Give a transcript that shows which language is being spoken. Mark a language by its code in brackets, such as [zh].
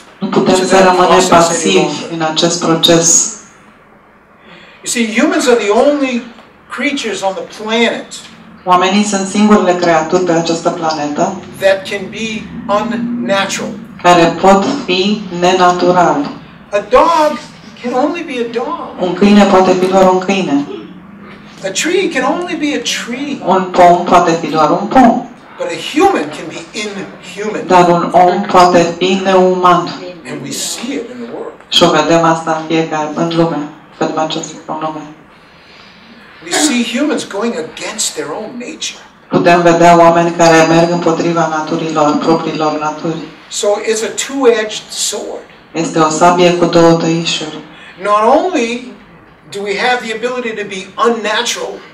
[ro] Nu putem să rămânem pasivi în acest proces. [en] You see, humans are the only creatures on the planet. [ro] Oamenii sunt singurele creaturi pe această planetă. [en] That can be unnatural. [ro] Care pot fi nenatural. [en] A dog can only be a dog. [ro] Un câine poate fi doar un câine. [en] A tree can only be a tree. [ro] Un pom poate fi doar un pom. [en] But a human can be inhuman. [ro] Dar un om poate fi neuman. [en] And we see it in the world. [ro] Și o vedem asta în fiecare, în lume. Vedem acest lume. [en] We see humans going against their own nature. [ro] Putem vedea oameni care merg împotriva naturii lor, propriilor naturi. [en] So it's a two-edged sword. [ro] Este o sabie cu două tăișuri. [en] Not only do we have the ability to be unnatural.